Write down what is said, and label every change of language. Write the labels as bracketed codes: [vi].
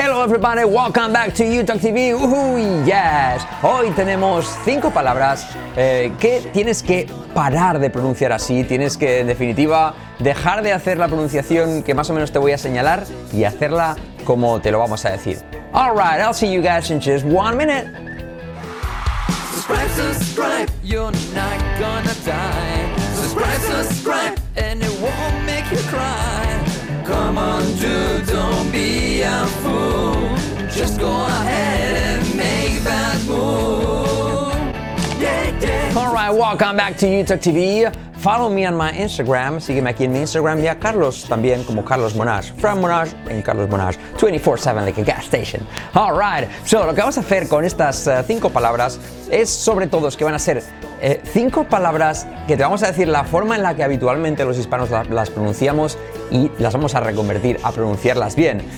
[en] everybody, welcome back to UTalk TV. Yes. [es] Hoy tenemos 5 palabras que tienes que parar de pronunciar así. Tienes que, en definitiva, dejar de hacer la pronunciación que más o menos te voy a señalar y hacerla como te lo vamos a decir. [en] All right, I'll see you guys in just 1 minute. Subscribe, you're not gonna die. Subscribe, and it won't make you cry. Come on, dude, don't be a fool. Just go ahead and make that move. Yeah, yeah. All right, welcome back to UTalk TV. Follow me on my Instagram, [es] sígueme aquí en mi Instagram y a Carlos también como Carlos Monash. [en] Fran Monash en Carlos Monash, 24/7 like a gas station. Alright, so [es] lo que vamos a hacer con estas 5 palabras es sobre todo es que van a ser 5 palabras que te vamos a decir la forma en la que habitualmente los hispanos las pronunciamos y las vamos a reconvertir a pronunciarlas bien.